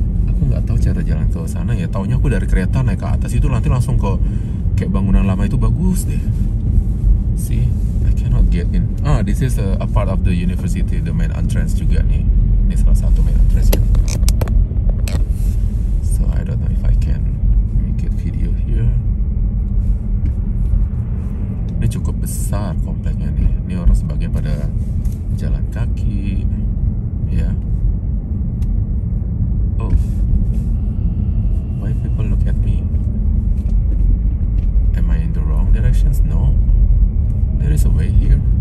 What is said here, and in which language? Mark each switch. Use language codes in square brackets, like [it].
[id] Aku gak tahu cara jalan ke sana ya. Taunya aku dari kereta naik ke atas itu nanti langsung ke kayak bangunan lama itu bagus deh. [en] See, I cannot get in. Ah, this is a part of the university. The main entrance [id] juga nih. Ini salah satu main entrance ya. [en] So I don't know if I can make a video here. [id] Ini cukup besar kompleknya nih. Ini orang sebagian pada jalan kaki ya. [en] Oh, why people look at me? Am I in the wrong directions? No, there is a way here.